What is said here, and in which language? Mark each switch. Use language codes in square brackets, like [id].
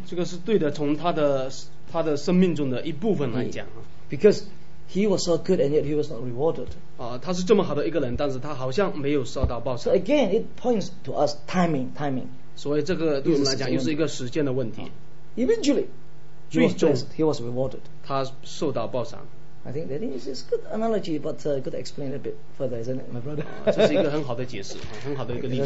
[zh] 这个是对的，从他的生命中的一部分来讲。 [en] Because he was so good and yet he was not rewarded. [zh] 他是这么好的一个人，但是他好像没有受到报酬。 [en] So again, it points to us timing. [zh] 所以这个对我们来讲又是一个时间的问题。 [en] Eventually, he was blessed. He was rewarded. [zh] 他受到报偿。 [en] I think that is a good analogy, but could explain a bit further, isn't it, my brother? [zh] 这是一个很好的解释，很好的一个例子。